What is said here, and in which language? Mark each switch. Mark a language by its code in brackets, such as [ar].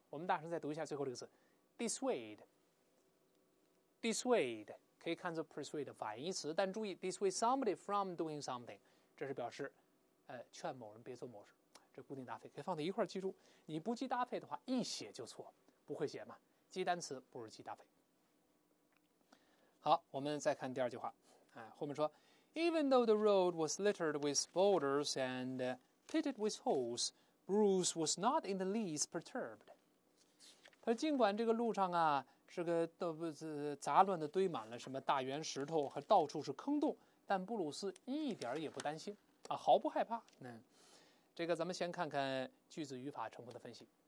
[zh] 我们大声再读一下最后这个词 dissuade。Dissuade 可以看作 persuade 反义词，但注意 [en] dissuade somebody from doing something， [zh] 这是表示，劝某人别做某事。这固定搭配可以放在一块记住。你不记搭配的话，一写就错，不会写嘛？记单词不如记搭配。好，我们再看第二句话，后面说 [en] ，Even though the road was littered with boulders and pitted with holes， Bruce was not in the least perturbed。 [zh] 他尽管这个路上啊。是个杂乱的堆满了什么大圆石头和到处是坑洞，但布鲁斯一点也不担心啊，毫不害怕。这个咱们先看看句子语法成分的分析。